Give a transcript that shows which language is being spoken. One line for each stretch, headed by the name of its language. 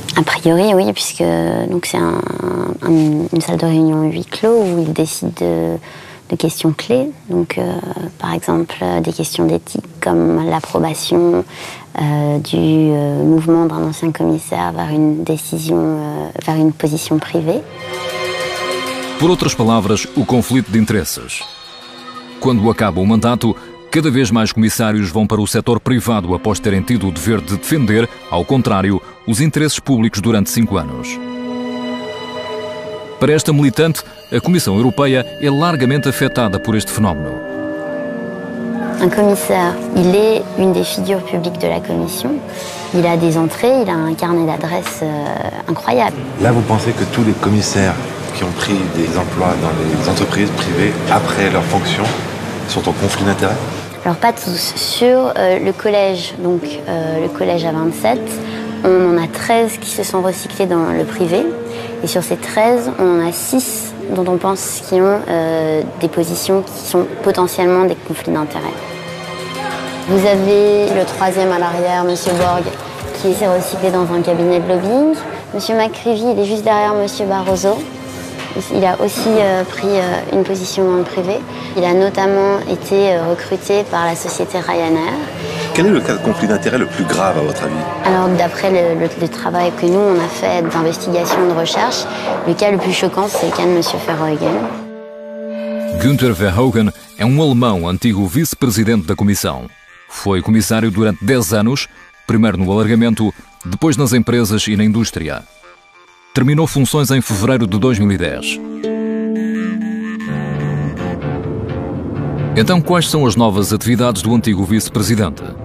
French: A priori, oui, puisque donc c'est une salle de réunion huis clos où ils décident de questions clés. Donc, par exemple, des questions d'éthique comme l'approbation mouvement d'un ancien commissaire vers une décision, vers une position privée.
Portuguese: Por outras palavras, o conflito de interesses. Quando acaba o mandato, cada vez mais comissários vão para o setor privado após terem tido o dever de defender, ao contrário, os interesses públicos durante 5 anos. Para esta militante, a Comissão Europeia é largamente afetada por este fenómeno. Um comissário, ele é uma das figuras públicas da Comissão. Ele tem
French: des entrées,
Portuguese: ele tem um
French: carnet d'adresses incroyable. Là, vous pensez que tous les commissaires qui ont pris des emplois dans les entreprises privées après leur fonction sont en conflit d'intérêts? Alors pas tous. Sur le collège, donc le collège à 27, on en a 13 qui se sont recyclés dans le privé. Et sur ces 13, on en a 6 dont on pense qu'ils ont des positions qui sont potentiellement des conflits d'intérêts. Vous avez le troisième à l'arrière, Monsieur Borg, qui s'est recyclé dans un cabinet de lobbying. Monsieur McCrivy, il est juste derrière Monsieur Barroso. Il a aussi pris une position dans le privé. Il a notamment été recruté par la société Ryanair. Quel est le cas de conflit d'intérêts le plus grave à votre avis? Alors d'après le travail que nous on a fait d'investigation, de recherche, le cas le plus choquant c'est le cas de M. Verhoeven. Günther Verhoeven est un Allemand,
Portuguese: antigo
French: vice-président de la Commission.
Portuguese: Foi comissário durante 10 anos, primeiro no alargamento, depois nas empresas e na indústria. Terminou funções em fevereiro de 2010. Então, quais são as novas atividades do antigo vice-presidente?